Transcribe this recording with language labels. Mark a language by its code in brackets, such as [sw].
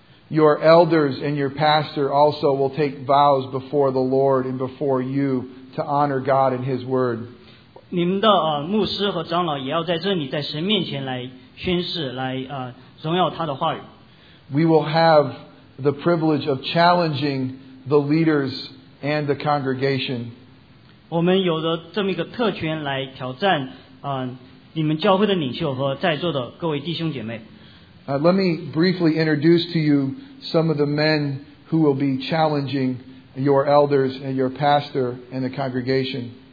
[en] Your elders and your pastor also will take vows before the Lord and before you to honor God and His Word. [zh] 你们的牧师和长老也要在这里在神面前来宣誓，来荣耀他的话语。 [en] We will have the privilege of challenging the leaders and the congregation. [zh] 我们有着这么一个特权来挑战你们教会的领袖和在座的各位弟兄姐妹。 [en] Let me briefly introduce to you some of the men who will be challenging your elders and your pastor and the congregation.